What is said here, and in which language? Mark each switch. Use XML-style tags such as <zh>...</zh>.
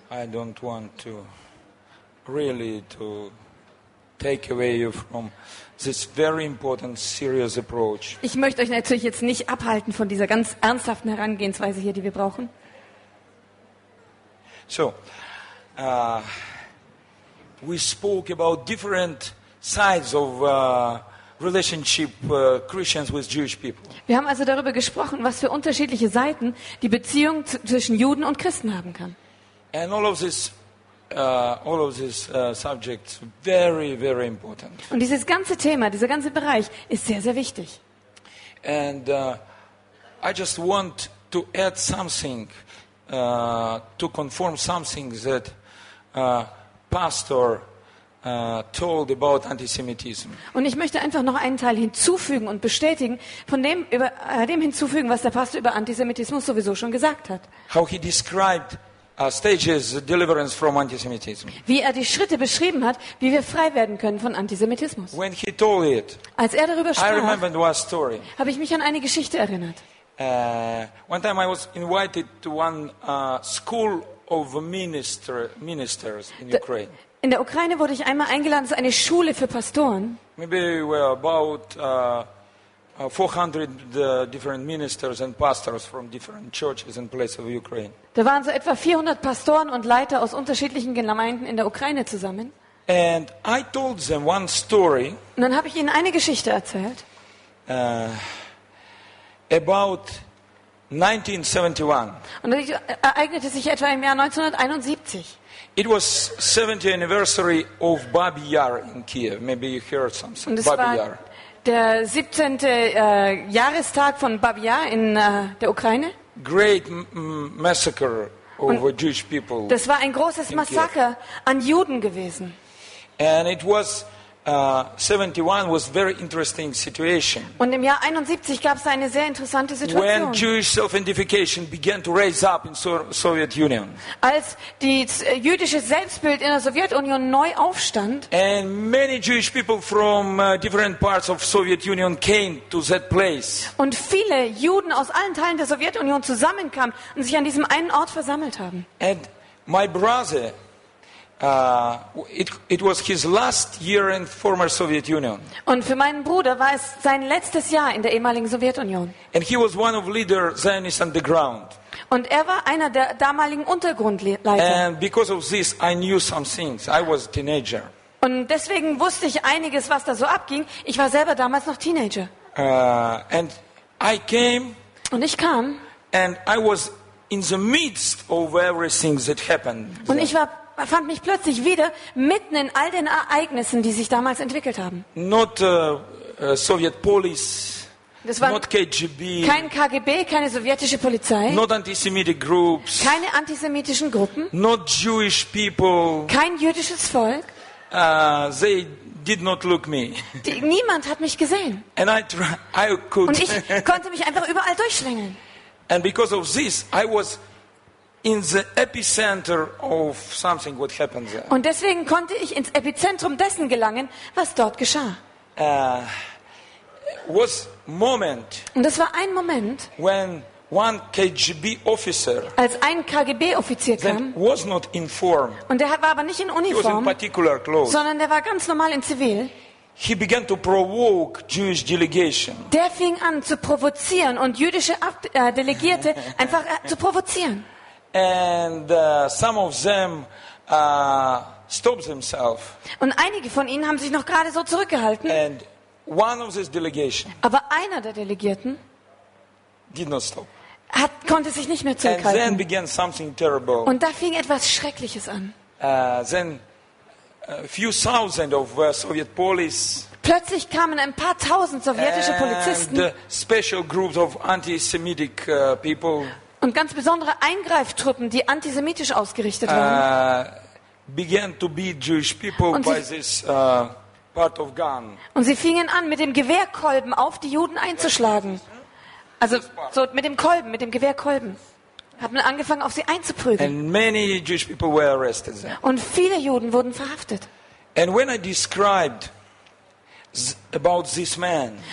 <en>I don't want to really to take away you from this very important serious approach.</en> <de>Ich möchte euch natürlich jetzt nicht abhalten von dieser ganz ernsthaften Herangehensweise hier, die wir brauchen.</de> <en>So, we spoke about different sides of relationship Christians with Jewish people.</en> <de>Wir haben also darüber gesprochen, was für unterschiedliche Seiten die Beziehung zwischen Juden und Christen haben kann.</de> <en>And all of this. All of these subjects very, very important.</en> <de>Und dieses ganze Thema, dieser ganze Bereich ist sehr, sehr wichtig.</de> <en>And I just want to add something, to confirm something that Pastor told about antisemitism.</en> <de>Und ich möchte einfach noch einen Teil hinzufügen und bestätigen von dem über dem hinzufügen, was der Pastor über Antisemitismus sowieso schon gesagt hat.</de> <en>How he described stages deliverance from antisemitism.</en> <de>Wie er die Schritte beschrieben hat, wie wir frei werden können von Antisemitismus.</de> <en>When he told it,</en> <de>als er darüber sprach,</de> <en>I remembered one story.</en> <de>Habe ich mich an eine Geschichte erinnert.</de> <en>One time I was invited to one school of ministers in Ukraine.</en> <de>In der Ukraine wurde ich einmal eingeladen zu einer Schule für Pastoren.</de> <en>Maybe we were about 400 different ministers and pastors from different churches and places of Ukraine.</en> <de>Da waren so etwa 400 Pastoren und Leiter aus unterschiedlichen Gemeinden in der Ukraine zusammen.</de> <en>And I told them one story.</en> <de>Und dann habe ich ihnen eine Geschichte erzählt.</de> <en>About 1971.</en> <de>Und das ereignete sich etwa im Jahr 1971.</de> <en>It was 70th anniversary of Babi Yar in Kiev. Maybe you heard something. Babi Yar.</en> <de>Der 17. Jahrestag von Babi Yar in der Ukraine.</de> <en>Great massacre over Jewish people.</en> <de>Das war ein großes Massaker an Juden gewesen.</de> <en>And it was 71 was very interesting situation.</en> <de>Und im Jahr 71 gab es eine sehr interessante Situation.</de> <en>When Jewish self-identification began to raise up in Soviet Union.</en> <de>Als die jüdische Selbstbild in der Sowjetunion neu aufstand.</de> <en>And many Jewish people from different parts of Soviet Union came to that place.</en> <de>Und viele Juden aus allen Teilen der Sowjetunion zusammenkamen und sich an diesem einen Ort versammelt haben.</de> <en>And my brother. It was his last year in former Soviet Union.</en> <de>Und für meinen Bruder war es sein letztes Jahr in der ehemaligen Sowjetunion.</de> <en>And he was one of leader Zionist underground.</en> <de>Und er war einer der damaligen Untergrundleiter.</de> <en>And because of this, I knew some things. I was a teenager.</en> <de>Und deswegen wusste ich einiges, was da so abging. Ich war selber damals noch Teenager.</de> <en>And I came.</en> <de>Und ich kam.</de> <en>And I was in the midst of everything that happened.</en> <de>Und ich war fand mich plötzlich wieder mitten in all den Ereignissen, die sich damals entwickelt haben.</de> <en>Not Soviet police,</en> <de>das war</de> <en>not KGB,</en> <de>kein KGB, keine sowjetische Polizei,</de> <en>not antisemitic groups,</en> <de>keine antisemitischen Gruppen,</de> <en>not Jewish people,</en> <de>kein jüdisches Volk.</de> <en>They did not look me.</en> <de>Niemand hat mich gesehen.</de> <en>And I could.</en> <de>Und ich konnte mich einfach überall durchschlängeln.</de> <en>And because of this, I was in the epicenter of something what happened there.</en> <de>Und deswegen konnte ich ins Epizentrum dessen gelangen, was dort geschah.</de> <en>Was moment.</en> <de>Und das war ein Moment.</de> <en>When one KGB officer.</en> <de>Als ein KGB-Offizier kam.</de> <en>Was not in form.</en> <de>Und der war aber nicht in Uniform.</de> <en>He was in particular clothes.</en> <de>Sondern der war ganz normal in Zivil.</de> <en>He began to provoke Jewish delegation.</en> <de>Der fing an zu provozieren und jüdische Delegierte einfach zu provozieren.</de> <en>And some of them stopped themselves.</en> <de>Und einige von ihnen haben sich noch gerade so zurückgehalten.</de> <en>And one of this delegation.</en> <de>Aber einer der Delegierten</de> <en>did not stop.</en> <de>Konnte sich nicht mehr zurückhalten.</de> <en>And then began something terrible.</en> <de>Und da fing etwas Schreckliches an.</de> <en>Then a few thousand of Soviet police.</en> <de>Plötzlich kamen ein paar tausend sowjetische Polizisten.</de> <en>And special groups of anti-Semitic people.</en> <de>Und ganz besondere Eingreiftruppen, die antisemitisch ausgerichtet waren.</de> <en>Began to beat Jewish people by this part of gun.</en> <de>Und sie fingen an, mit dem Gewehrkolben auf die Juden einzuschlagen. Also so mit dem Kolben, mit dem Gewehrkolben. Haben angefangen, auf sie einzuprügeln.</de> <en>And many Jewish people were arrested then.</en> <de>Und viele Juden wurden verhaftet.</de> <en>And when I described about this man.</en>